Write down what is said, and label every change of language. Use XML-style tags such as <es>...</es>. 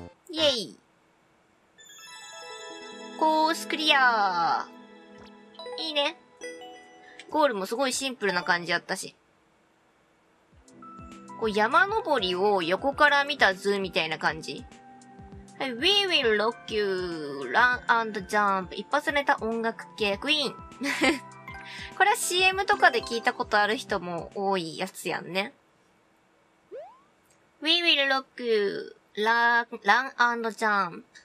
<ja>イェイ。コースクリアー。いいね。ゴールもすごいシンプルな感じやったし。こう山登りを横から見た図みたいな感じ。</ja> <en>We will rock you, run and jump.</en> <ja>一発ネタ音楽系クイーン。これは CM とかで聞いたことある人も多いやつやんね。</ja> <en>We will rock you, run and jump.</en>